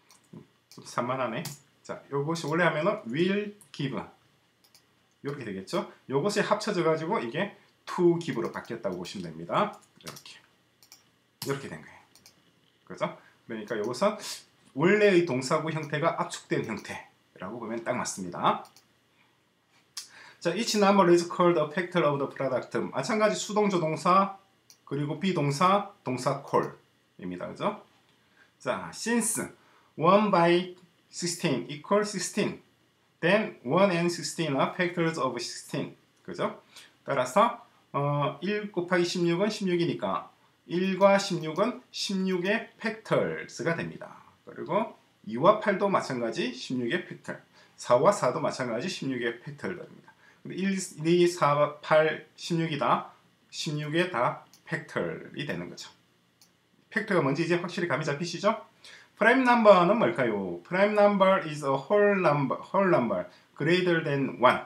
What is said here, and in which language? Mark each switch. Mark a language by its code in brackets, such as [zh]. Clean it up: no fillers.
[ko] 좀 산만하네. 자 이것이 원래 하면은 [en] will give [ko] 이렇게 되겠죠. 이것이 합쳐져 가지고 이게 [en] to give [ko] 로 바뀌었다고 보시면 됩니다. 이렇게 된 거예요. 그렇죠? 그러니까 이것은 원래의 동사구 형태가 압축된 형태. 라고 보면 딱 맞습니다. [en] 자, each number is called a factor of the product. [ko] 마찬가지 수동 조동사 그리고 비동사 동사 call입니다. 그죠? [en] 자, since 1 by 16 equal 16 then 1 and 16 are factors of 16. [ko] 그죠? 따라서 1 곱하기 16은 16이니까 1과 16은 16의 factors가 됩니다. 그리고 2와 8도 마찬가지 16의 팩터. 4와 4도 마찬가지 16의 팩터입니다. 1, 2, 4, 8, 16이 다 16의 다 팩터이 되는 거죠. 팩터가 뭔지 이제 확실히 감이 잡히시죠? prime number는 뭘까요? [en] prime number is a whole number greater than 1.